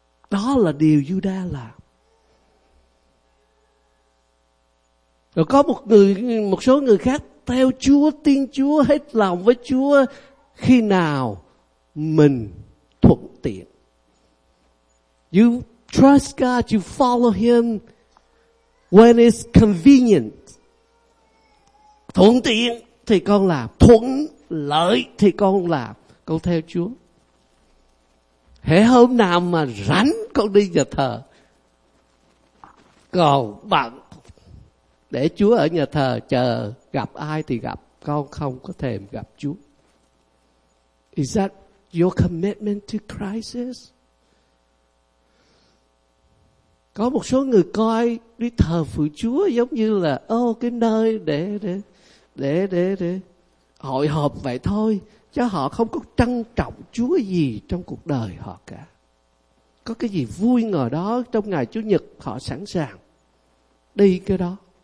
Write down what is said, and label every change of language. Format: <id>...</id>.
<vi>Đó là điều Giu-đa làm. Rồi có một số người khác theo Chúa, tin Chúa, hết lòng với Chúa khi nào mình thuận tiện.</vi> <en>You trust God, you follow Him when it's convenient.</en> <vi>Thuận tiện thì con làm, thuận lợi thì con làm, con theo Chúa. Hễ hôm nào mà rảnh con đi nhà thờ, còn bận để Chúa ở nhà thờ chờ gặp ai thì gặp, con không có thèm gặp Chúa.</vi> <en>Is that your commitment to Christ?</en> <vi>Có một số người coi đi thờ phượng Chúa giống như là cái nơi để hội họp vậy thôi, chứ họ không có trân trọng Chúa gì trong cuộc đời họ cả. Có cái gì vui ngồi đó trong ngày Chủ nhật, họ sẵn sàng đi cái đó.</vi>